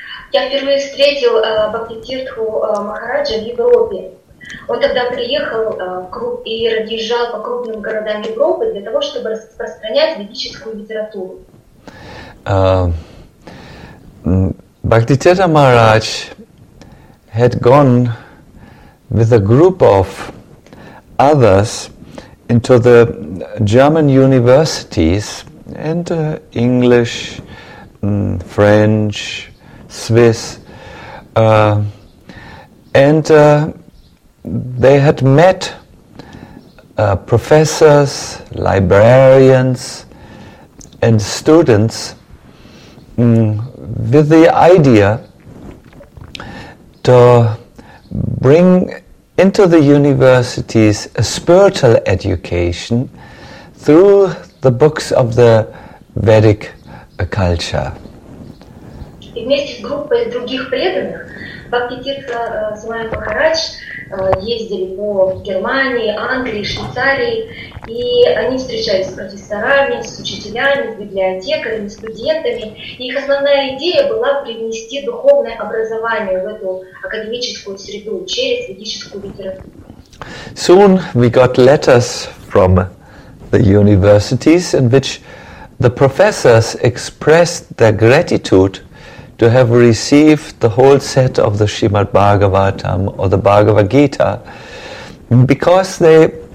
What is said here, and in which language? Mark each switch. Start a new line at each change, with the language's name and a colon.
Russian: Я впервые встретил Бхактитирту Махараджа в Европе. Он тогда приехал и разъезжал по крупным городам Европы для того, чтобы распространять ведическую литературу.
English: Bhaktitirtha Maharaj had gone with a group of others into the German universities and English, French, Swiss, and they had met professors, librarians, and students with the idea to bring into the universities a spiritual education through the books of the Vedic culture.
Russian: И вместе с группой других преданных Бхактитирта Свами Махарадж ездили по Германии, Англии, Швейцарии, и они встречались с профессорами, с учителями, с библиотеками, студентами. И их основная идея была привнести духовное образование в эту академическую среду через ведическую литературу.
English: Soon we got letters from the universities in which the professors expressed their gratitude to have received the whole set of the Srimad Bhagavatam or the Bhagavad Gita, because they